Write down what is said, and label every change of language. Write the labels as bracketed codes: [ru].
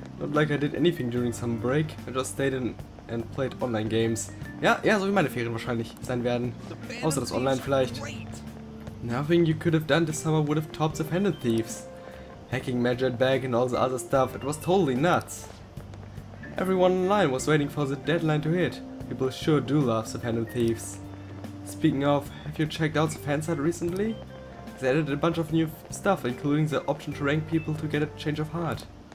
[en] Not like I did anything during summer break. I just stayed in and played online games. [de] Ja, ja, so wie meine Ferien wahrscheinlich sein werden. Außer das Online vielleicht. [en] Nothing you could have done this summer would have topped the Phantom Thieves. Hacking Magic Bag and all the other stuff, it was totally nuts. Everyone online was waiting for the deadline to hit. People sure do love the Phantom Thieves. Speaking of, have you checked out the fan site recently? They added a bunch of new stuff, including the option to rank people to get a change of heart.